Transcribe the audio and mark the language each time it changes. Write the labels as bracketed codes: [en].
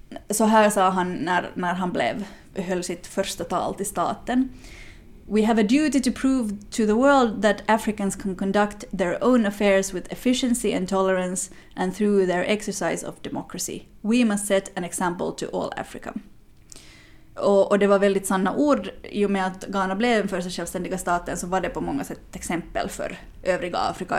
[sv] Så här sa han när han höll sitt första tal till staten. [en] We have a duty to prove to the world that Africans can conduct their own affairs with efficiency and tolerance and through their exercise of democracy. We must set an example to all Africa. [sv] Och det var väldigt sanna ord. I och med att Ghana blev den första självständiga staten så var det på många sätt ett exempel för övriga Afrika.